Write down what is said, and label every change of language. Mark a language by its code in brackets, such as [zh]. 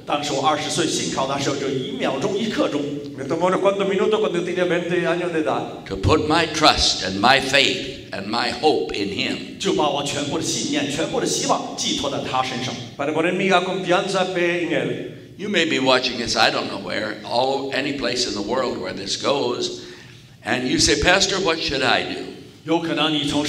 [zh] 当时我20岁信靠那时候就一秒钟一刻钟。 [es] Me tomó unos cuantos minutos cuando tenía 20 años de edad. [en] To put my trust and my faith and my hope in Him. [zh] 就把我全部的信念、全部的希望寄托在他身上。 [es] Para poner mi confianza fe en él. [en] You may be watching this, I don't know where, all any place in the world where this goes, and you say, Pastor, what should I do?